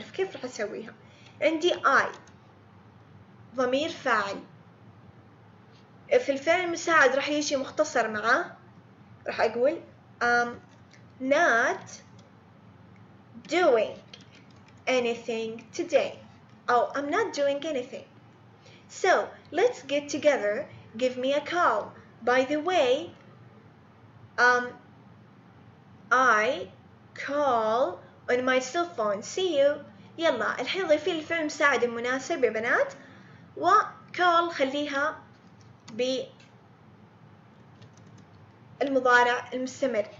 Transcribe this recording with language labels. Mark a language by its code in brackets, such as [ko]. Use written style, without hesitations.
[ar] فكيف راح أسويها؟ عندي I ضمير فاعل، في الفعل المساعد راح يجي مختصر معه، راح أقول [en] not doing anything today [ar] أو [en] I'm not doing anything. So let's get together, give me a call. By the way, I call on my cell phone. See you. [ar] يلا الحين ضيفي الفعل المساعد المناسب يا بنات، و call خليها بالمضارع المستمر.